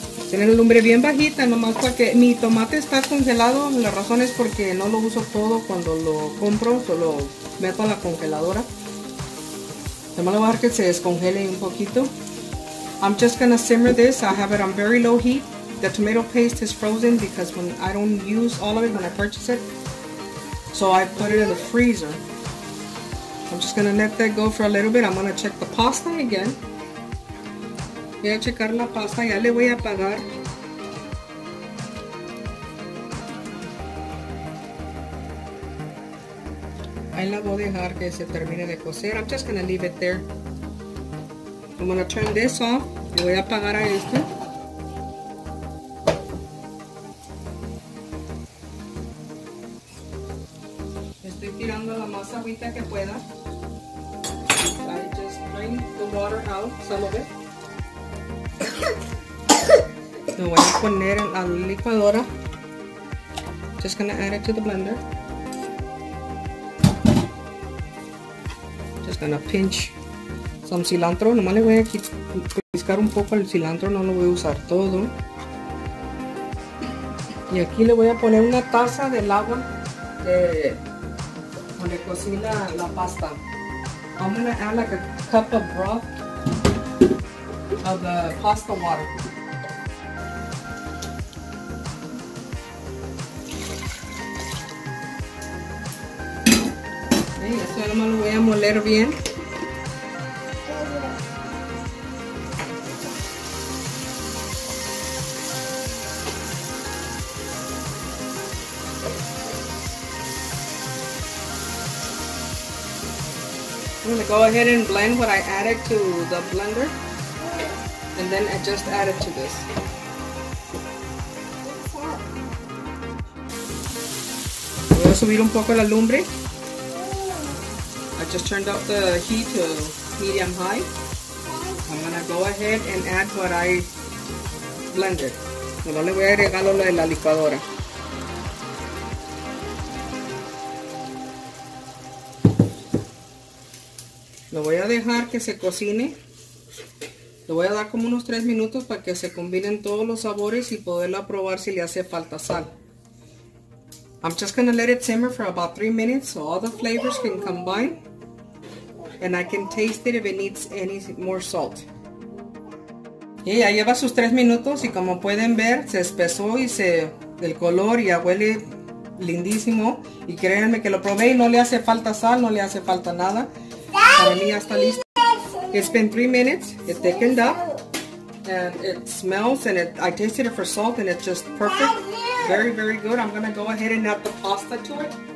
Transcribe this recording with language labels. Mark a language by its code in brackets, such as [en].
[es] Tienen el lumbre bien bajita, nomás porque mi tomate está congelado. La razón es porque no lo uso todo cuando lo compro, solo meto a la congeladora. Nomás le voy a dejar que se descongele un poquito. [en] I'm just gonna simmer this. I have it on very low heat. The tomato paste is frozen because when I don't use all of it when I purchase it. So I put it in the freezer. I'm just gonna let that go for a little bit. I'm gonna check the pasta again. [es] Voy a checar la pasta, ya le voy a apagar. Ahí la voy a dejar que se termine de cocer. [en] I'm just gonna leave it there. I'm gonna turn this off. [es] Y voy a apagar a esto. Estoy tirando la más agüita que pueda. [en] I just drain the water out some of it. [es] Lo voy a poner en la licuadora. [en] Just gonna add it to the blender. Just gonna pinch some cilantro. [es] Nomás le voy a piscar un poco el cilantro. No lo voy a usar todo. Y aquí le voy a poner una taza del agua donde cocina la pasta. [en] I'm gonna add like a cup of broth of the pasta water. [es] Esto ya me lo voy a moler bien. [en] I'm going to go ahead and blend what I added to the blender. And then I just add it to this. [es] Voy a subir un poco la lumbre. [en] I just turned up the heat to medium high. I'm gonna go ahead and add what I blended. [es] No le voy a agregar lo de la licuadora. Lo voy a dejar que se cocine. Le voy a dar como unos 3 minutos para que se combinen todos los sabores y poderla probar si le hace falta sal. I'm just gonna let it simmer for about 3 minutes so all the flavors can combine. And I can taste it if it needs any more salt. Y ya lleva sus 3 minutos y como pueden ver, se espesó y se del color y ya huele lindísimo. Y créanme que lo probé y no le hace falta sal, no le hace falta nada. Para mí ya está listo. [en] It's been 3 minutes. It thickened up. And it smells and I tasted it for salt and it's just perfect. Very, very good. I'm going to go ahead and add the pasta to it.